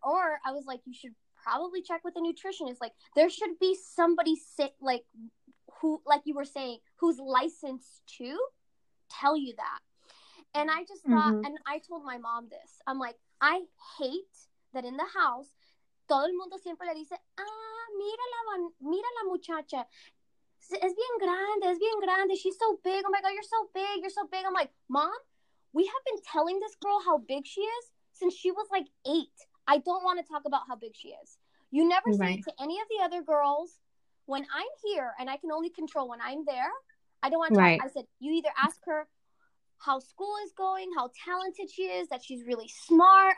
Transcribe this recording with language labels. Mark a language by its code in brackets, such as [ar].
[en] Or I was like, you should probably check with a nutritionist. Like, there should be somebody sit, like, who, like you were saying, who's licensed to tell you that. And I just thought, and I told my mom this. I'm like, I hate that in the house, [es] todo el mundo siempre le dice, ah, mira la muchacha. Es bien grande, es bien grande. [en] She's so big. Oh my God, you're so big. You're so big. I'm like, Mom, we have been telling this girl how big she is since she was like 8. I don't want to talk about how big she is. You never say it to any of the other girls. When I'm here and I can only control when I'm there, I don't want to talk. I said, you either ask her how school is going, how talented she is, that she's really smart.